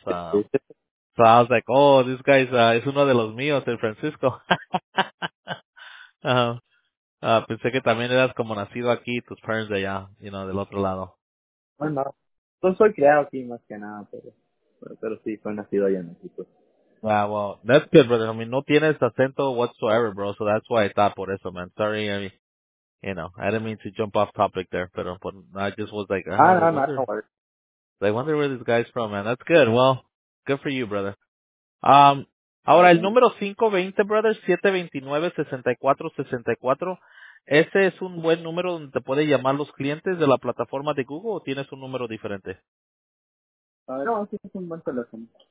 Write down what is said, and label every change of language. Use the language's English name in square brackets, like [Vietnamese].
[English] So I was like, oh, this guy's [Spanish] es uno de los míos, el Francisco. pensé que también eras como nacido aquí, tus parents de allá, [English] you know, [Spanish] del otro lado. Bueno, no. Yo soy criado aquí más que nada, pero sí, soy nacido allá en México. [English] Wow, well, that's good, brother. I mean, [Spanish] no tienes acento [English] whatsoever, bro, so that's why I thought [Spanish] por eso, [English] man. Sorry, I mean, you know, I didn't mean to jump off topic there, pero I just was like, I wonder where this guy's from, man. That's good, well... Good for you, brother. [Spanish] Ahora, el número 520, brother, 729-6464, ¿ese es un buen número donde te pueden llamar los clientes de la plataforma de Google o tienes un número diferente? No, sí, es un buen teléfono.